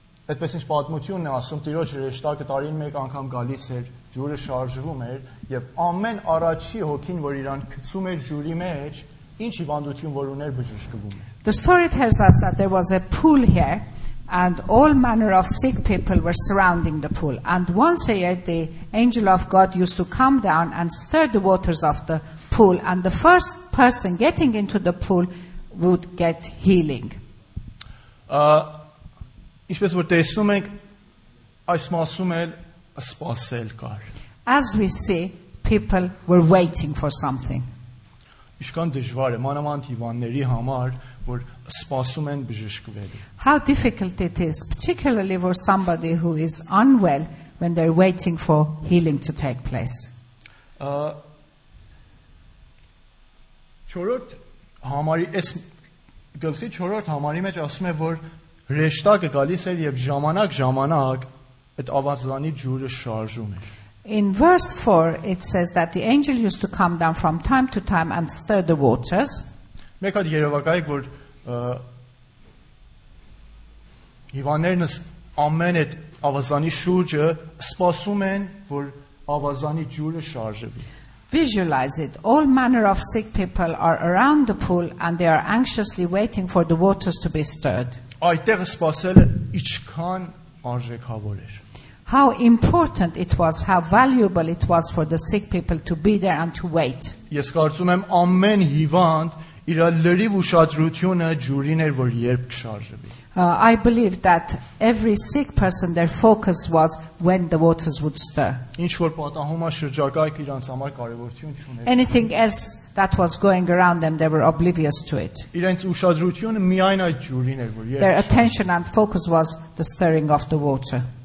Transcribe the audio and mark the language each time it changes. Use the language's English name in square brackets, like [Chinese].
[Armenian] Այդպես ինչ պատմությունն է ասում, տիրոջ հրեշտակը տարին մեկ անգամ գալիս էր, ջուրը շարժվում էր, եւ ամեն առաջի հոգին, որ իրան գցում էր ջուրի մեջ, ինչ հիվանդություն որ ուներ բժշկվում էր. [English] The story tells us that there was a pool here, and all manner of sick people were surrounding the pool. And once a year, the angel of God used to come down and stir the waters of the pool, and the first person getting into the pool would get healing. [Armenian] Ինչպես որ տեսնում ենք այս մասում էլ սպասել կար [English] As we see people were waiting for something [Armenian] Իշքան դժվար է մանավանդ հիվանդների համար որ սպասում են բժշկվելու [English] How difficult it is particularly for somebody who is unwell when they're waiting for healing to take place [Armenian] Չորրորդ համարի այս գլխի չորրորդ համարի մեջ ասում է որ Հրեշտակը գալիս էր եւ ժամանակ այդ ավազանի ջուրը շարժում էր։ [English] In verse 4 it says that the angel used to come down from time to time and stir the waters. [Armenian] Մեկ այդ երևակայեք որ հիվանդներն ամեն այդ ավազանի շուրջը սպասում են որ ավազանի ջուրը շարժվի։ [English] Visualize it. All manner of sick people are around the pool and they are anxiously waiting for the waters to be stirred. [Armenian] Այդտեղ սпасելը ինչքան արժեքավոր էր [English] How important it was how valuable it was for the sick people to be there and to wait [Armenian] Ես կարծում եմ ամեն հիվանդ իր լրիվ ուշադրությունը ջուրին էր որ երբ կշարժվի [English] I believe that every sick person their focus was when the waters would stir [Armenian] Ինչ որ պատահում է շրջակայք իրանց համար կարևորություն չուներ [English] Anything else that was going around them they were oblivious to it [Armenian] Իրանց ուշադրությունը միայն այդ ջուրին էր որ [English] Their attention and focus was the stirring of the water